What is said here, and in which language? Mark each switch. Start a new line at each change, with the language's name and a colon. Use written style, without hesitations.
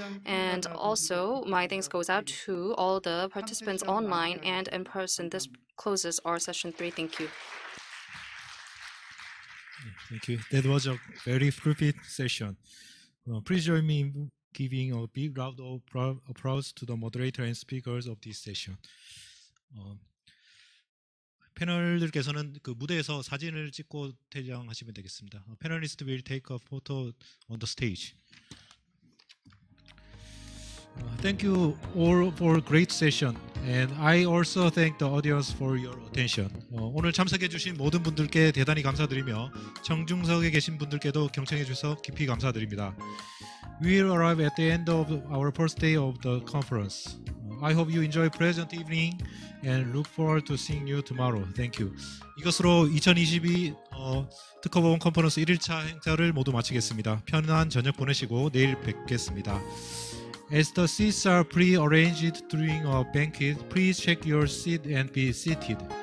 English: And also, my thanks goes out to all the participants online and in person. This closes our session 3. Thank you. Thank you. That was a very fruitful session. Please join me in giving a big round of applause to the moderator and speakers of this session.
Korean: 패널들께서는 그 무대에서 사진을 찍고 퇴장하시면 되겠습니다.
English: Panelists will take a photo on the stage. Thank you all for a great session. And I also thank the audience for your attention.
Korean: 오늘 참석해 주신 모든 분들께 대단히 감사드리며 청중석에 계신 분들께도 경청해 주셔서 깊이 감사드립니다.
English: We will arrive at the end of our first day of the conference. I hope you enjoy pleasant evening and look forward to seeing you tomorrow. Thank you.
Korean: 이것으로 2022 특허법원 컨퍼런스 1일차 행사를 모두 마치겠습니다. 편안한 저녁 보내시고 내일 뵙겠습니다.
English: As the seats are pre-arranged during a banquet, please check your seat and be seated.